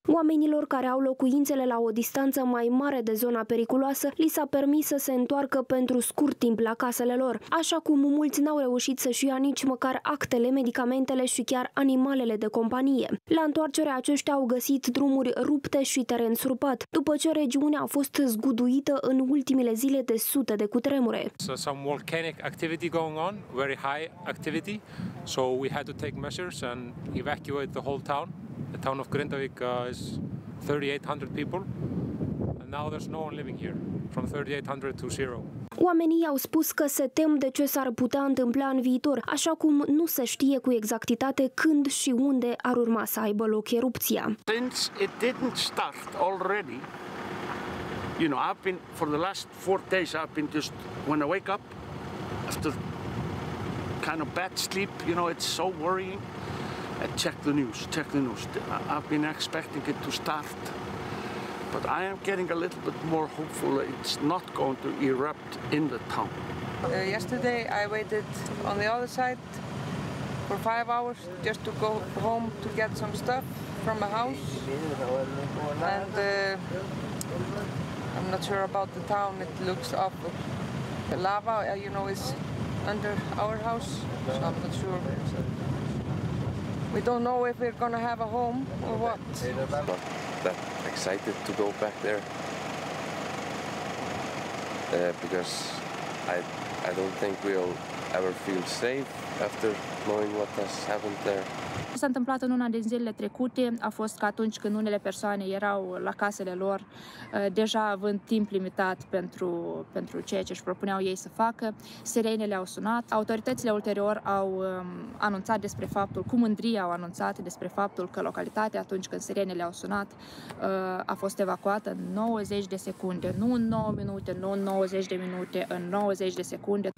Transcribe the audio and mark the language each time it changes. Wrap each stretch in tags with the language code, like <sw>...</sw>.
<ro>Oamenilor care au locuințele la o distanță mai mare de zona periculoasă, li s-a permis să se întoarcă pentru scurt timp la casele lor, așa cum mulți n-au reușit să-și ia nici măcar actele, medicamentele și chiar animalele de companie. La întoarcere, aceștia au găsit drumuri rupte și teren surpat, după ce regiunea a fost zguduită în ultimele zile de sute de cutremure.</ro> <en>So some volcanic activity going on, very high activity, so we had to take measures and evacuate the whole town. The town of Grindavík is 3800 people. Now there's no one living here from 3800 to zero.</en> <ro>Oamenii au spus că se tem de ce s-ar putea întâmpla în viitor, așa cum nu se știe cu exactitate când și unde ar urma să aibă loc erupția.</ro> <en>Since it didn't start already, you know, I've been for the last 4 days I've been just when I wake up after kind of bad sleep, you know, it's so worrying. I check the news. I've been expecting it to start. But I am getting a little bit more hopeful it's not going to erupt in the town. Yesterday I waited on the other side for 5 hours just to go home to get some stuff from a house. And I'm not sure about the town, it looks up. The lava, you know, is under our house, so I'm not sure. We don't know if we're going to have a home or what. That excited to go back there because I don't think we'll ever feel safe after knowing what has happened there.</en> <ro>Ce s-a întâmplat în una din zilele trecute a fost că atunci când unele persoane erau la casele lor, deja având timp limitat pentru ceea ce își propuneau ei să facă, sirenele au sunat. Autoritățile ulterior au anunțat despre faptul, cu mândrie au anunțat despre faptul că localitatea, atunci când sirenele au sunat, a fost evacuată în 90 de secunde, nu în 9 minute, nu în 90 de minute, în 90 de secunde.</ro>